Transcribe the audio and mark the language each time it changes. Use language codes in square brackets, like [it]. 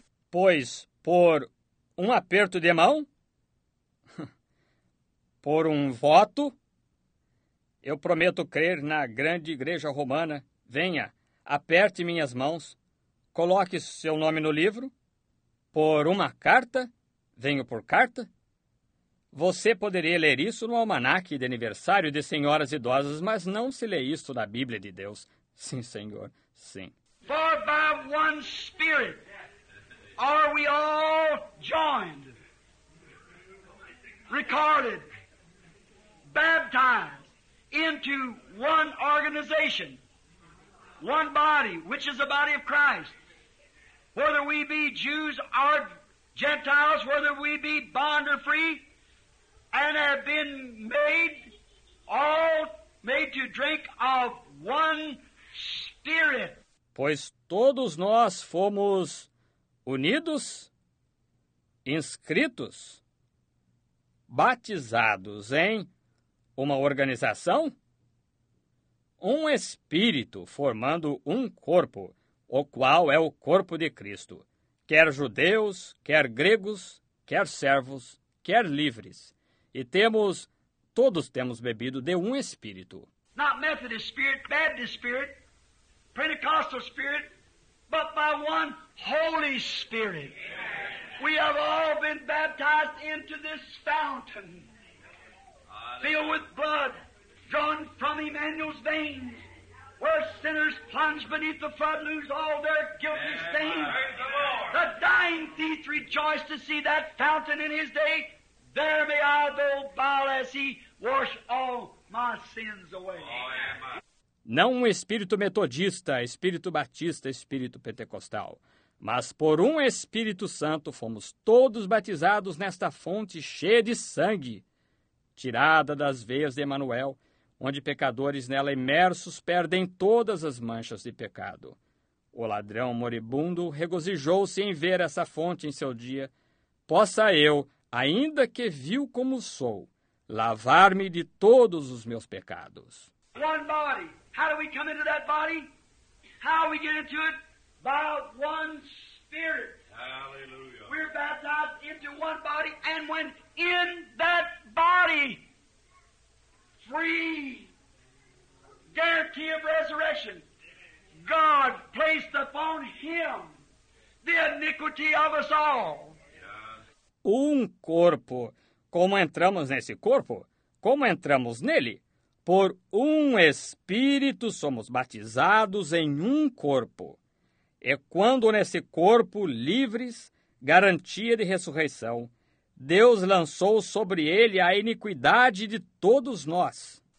[pt] Pois, por um aperto de mão, por um voto, eu prometo crer na grande igreja romana. Venha. Aperte minhas mãos, coloque seu nome no livro, por uma carta, venho por carta. Você poderia ler isso no almanaque de aniversário de senhoras idosas, mas não se lê isto na Bíblia de Deus. Sim, Senhor, sim. [en] For by one Spirit are we all joined, recorded, baptized into one organization. One body, which is the body of Christ. Whether we be Jews or Gentiles, whether we be bond or free, and have been made, all made to drink of one Spirit. [pt] Pois todos nós fomos unidos, inscritos, batizados em uma organização? Um espírito formando um corpo, o qual é o corpo de Cristo, quer judeus, quer gregos, quer servos, quer livres. E temos, todos temos bebido de um Espírito. Não é [en] Methodist Spirit, Baptist Spirit, Pentecostal Spirit, but by one Holy Spirit. We have all been baptized into this fountain, filled with blood, drawn from Emmanuel's veins, where sinners plunge beneath the flood, lose all their guilty stains. The dying thief rejoiced to see that fountain in his day. There may I, though, bow as he washed all my sins away. [pt] Não um espírito metodista, espírito batista, espírito pentecostal. Mas por um Espírito Santo fomos todos batizados nesta fonte cheia de sangue, tirada das veias de Emanuel, onde pecadores nela imersos perdem todas as manchas de pecado. O ladrão moribundo regozijou-se em ver essa fonte em seu dia. Possa eu, ainda que vil como sou, lavar-me de todos os meus pecados. [en] One body. How do we come into that body? How we get into it? By one Spirit. Hallelujah. We're baptized into one body, and when in that body, free, guarantee of resurrection, God placed upon him the iniquity of us all. [pt] Um corpo. Como entramos nesse corpo? Como entramos nele? Por um Espírito somos batizados em um corpo. É quando nesse corpo livres, garantia de ressurreição, Deus lançou sobre ele a iniquidade de todos nós.